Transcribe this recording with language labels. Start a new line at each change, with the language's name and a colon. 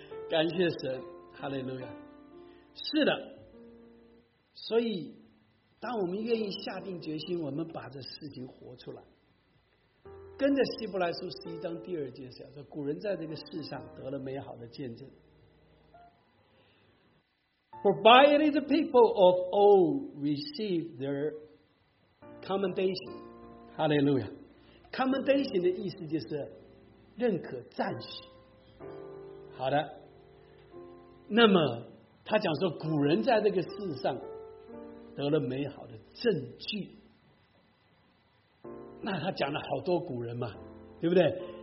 Chinese: 感谢神，哈利路亚。是的，所以当我们愿意下定决心，我们把这事情活出来，跟着希伯来书十一章第二节讲说，古人在这个世上得了美好的见证。
English: For by it the people of old received their commendation. Hallelujah.
Chinese: Commendation 的意思就是认可赞许。好的，那么他讲说古人在这个世上得了美好的证据，那他讲了好多古人嘛，对不对？